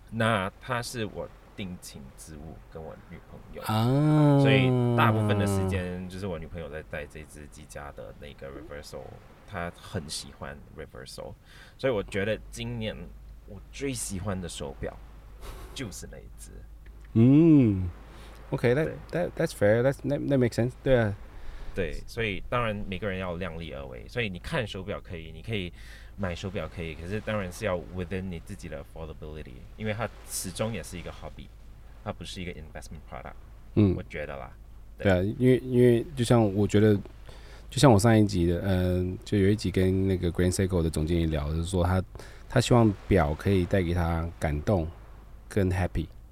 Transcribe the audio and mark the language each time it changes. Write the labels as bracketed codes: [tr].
[zh] 那它是我定情之物跟我女朋友、啊、所以大部分的时间就是我女朋友在带这只机架的那个 reversal， 她很喜欢 reversal， 所以我觉得今年我最喜欢的手表就是那一只。 [en] 嗯 ，OK， that's fair， that makes sense， [zh] 对啊，对，所以当然每个人要量力而为，所以你看手表可以，你可以买手表可以，可是当然是要 within 你自己的 affordability， 因为它始终也是一个 hobby， 它不是一个 [en] investment product。 [zh] 嗯，我觉得啦，对啊，因为就像我觉得，就像我上一集的，就有一集跟那个 Grand Seiko 的总经理聊，就是说他希望表可以带给他感动跟 happy。